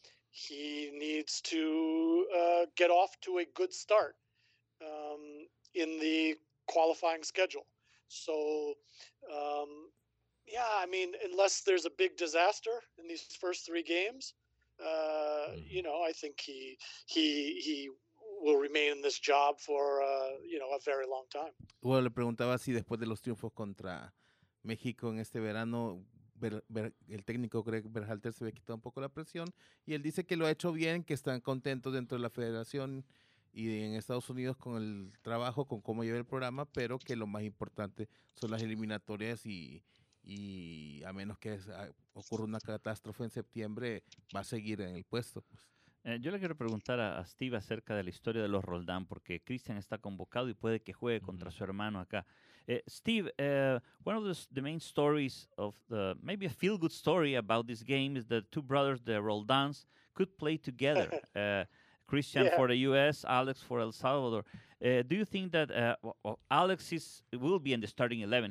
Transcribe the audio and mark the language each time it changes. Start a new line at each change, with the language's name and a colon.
English: He needs to get off to a good start in the qualifying schedule. So, I mean, unless there's a big disaster in these first three games, you know, I think he will remain in this job for, you know, a very long time.
Spanish: Well, le preguntaba si después de los triunfos contra México en este verano, el técnico Greg Berhalter se había quitado un poco la presión, y él dice que lo ha hecho bien, que están contentos dentro de la federación y en Estados Unidos con el trabajo, con cómo lleva el programa, pero que lo más importante son las eliminatorias y a menos que ocurra una catástrofe en septiembre, va a seguir en el puesto. Yo le quiero preguntar a Steve acerca de la historia de los Roldán, porque Christian está convocado y puede que juegue contra su hermano acá.
English: Steve, one of the main stories of the, maybe a feel-good story about this game is that two brothers, the Roldans, could play together. Christian for the U.S., Alex for El Salvador. Do you think that Alex will be in the starting 11?